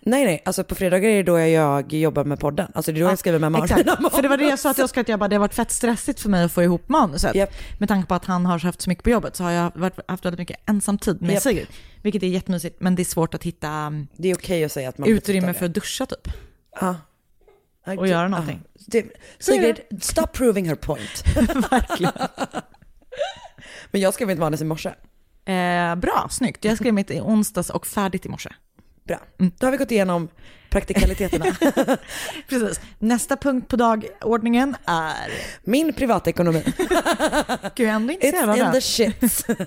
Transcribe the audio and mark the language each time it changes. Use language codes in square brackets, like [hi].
[sv] Nej, alltså på fredagar är det då jag jobbar med podden. Alltså det är då jag skriver med manus. För det var det jag sa till Oskar, att jag bara, det har varit fett stressigt för mig att få ihop manuset. Yep. Med tanke på att han har haft så mycket på jobbet, så har jag haft väldigt mycket ensam tid med sig. Vilket är jättemysigt, men det är svårt att hitta. Det är okej att säga att man utrymme för att duscha typ. Ja. Och göra någonting. [en] Sigrid, stop proving her point. [sv] Verkligen. Men jag skrev mitt manus i morse. Bra, snyggt. Jag skrev mitt i onsdags och färdigt i morse. Bra. Då har vi gått igenom praktikaliteterna. Precis. Nästa punkt på dagordningen är min privatekonomi. Gud, jag är ändå intresserad av det. [en] It's in the shit.